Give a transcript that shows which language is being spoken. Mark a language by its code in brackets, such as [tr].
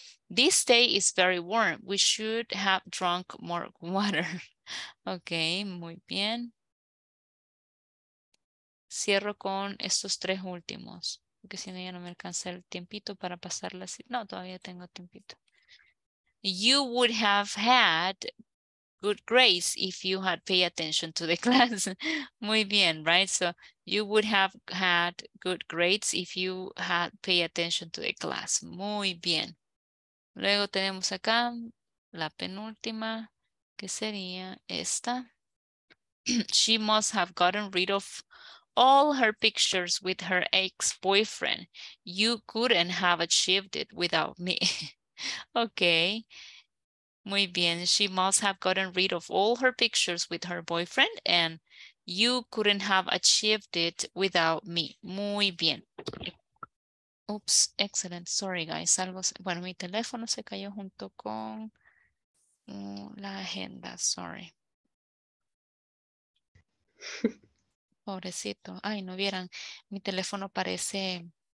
[en] This day is very warm. We should have drunk more water. [es] Okay, muy bien. Cierro con estos tres últimos, porque si no ya no me alcanza el tiempito para pasarlas. No, todavía tengo tiempito. [en] You would have had good grades if you had paid attention to the class. [es] Muy bien, [en] right? So you would have had good grades if you had paid attention to the class. [es] Muy bien. Luego tenemos acá la penúltima, que sería esta. [en] She must have gotten rid of all her pictures with her ex-boyfriend. You couldn't have achieved it without me. Okay. [es] Muy bien. [en] She must have gotten rid of all her pictures with her boyfriend and you couldn't have achieved it without me. [es] Muy bien. [en] Oops, excellent. Sorry, guys. [es] Bueno, mi teléfono se cayó junto con la agenda. [en] Sorry. [es] Pobrecito. Ay, no vieran. Mi teléfono parece...